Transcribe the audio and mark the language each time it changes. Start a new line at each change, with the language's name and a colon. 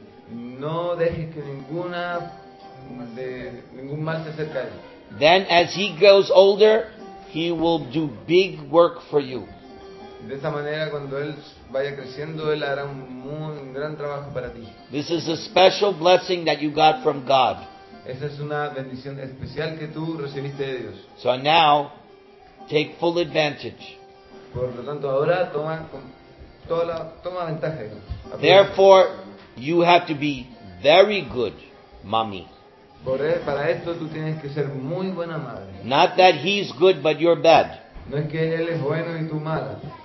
Spanish: No deje que ninguna de ningún mal se acerque a él.
English: Then as he grows older, he will do big work for you.
Spanish: De esa manera, cuando él vaya creciendo, él hará un gran trabajo para ti.
English: This is a special blessing that you got from God.
Spanish: Esa es una bendición especial que tú recibiste de Dios.
English: So now, take full advantage.
Spanish: Por lo tanto, ahora toma ventaja.
English: Therefore, you have to be very good, mommy.
Spanish: Para esto tú tienes que ser muy buena madre.
English: Not that he's good, but you're bad.
Spanish: No es que él es bueno y tú mala.